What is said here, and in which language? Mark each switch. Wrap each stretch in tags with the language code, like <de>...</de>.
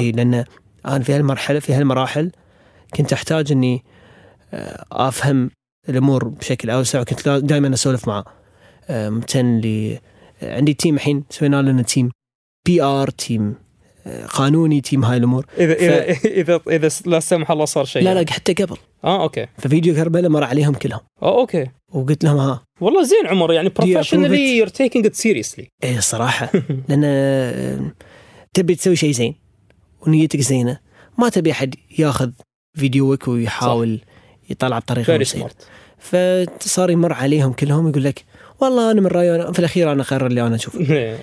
<ar>إيه لأن أنا في هالمراحل كنت أحتاج أني أفهم الأمور بشكل أوسع، وكنت دائما أسولف معه. مثلا اللي عندي تيم الحين سوينا لنا تيم PR، تيم قانوني، تيم هاي الأمور. إذا لا سمح الله صار شيء لا حتى قبل. أوكي. ففيديو كربلاء مر عليهم كلهم. أوكي. وقلت لهم ها والله زين عمر يعني</ar> <en>professionally you're taking it seriously.</en> <ar>إيه صراحة لأن تبي تسوي شيء زين ونيتك زينة، ما تبي أحد ياخذ فيديوك ويحاول صح. يطلع بطريقة سيئة. فصار يمر عليهم كلهم يقول لك والله أنا من رأيي في الأخير أنا قرر اللي أنا أشوفه.</ar>